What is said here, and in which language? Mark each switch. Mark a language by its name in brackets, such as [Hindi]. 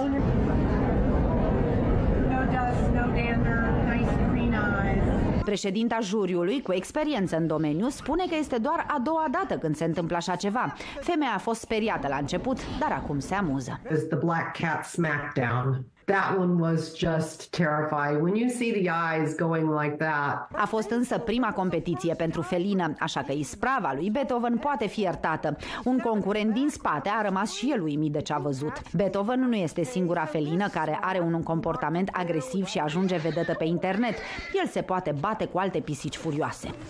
[English] No dust, no dander, nice green eyes. [Romanian] Președinta juriului, cu experiență în domeniu, spune că este doar a doua dată când se întâmplă așa ceva. Femeia a fost speriată la început, dar acum se amuză. [English] It's the black cat smackdown. That one was just terrifying. When you see the eyes going like that. [Romanian] A fost însă prima competiție pentru felină, așa că isprava lui Beethoven poate fi iertată. Un concurent din spate a rămas și el uimit de ce a văzut. Beethoven nu este singura felină care are un comportament agresiv și ajunge vedetă pe internet. El se poate bate cu alte pisici furioase.